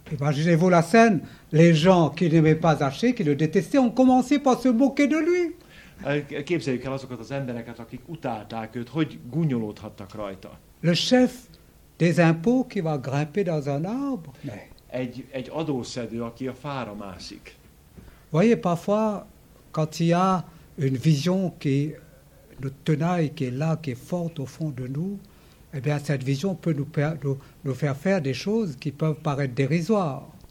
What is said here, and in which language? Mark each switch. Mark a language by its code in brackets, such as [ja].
[fr] Imaginez-vous la scène, les gens qui n'aimaient pas Zachée, qui le détestaient, ont commencé par se moquer de lui. [hu] Képzeljük el azokat az embereket, akik utálták őt, hogy gúnyolódhattak rajta. [fr] Le chef des impôts qui va grimper dans un arbre. [hu] Egy adószedő, aki a fára mászik. [fr] Voyez, parfois, quand il y a une vision qui nous tenaille, qui est là, qui est forte au fond de nous, eh bien, cette vision peut nous faire faire des choses qui peuvent paraître dérisoires.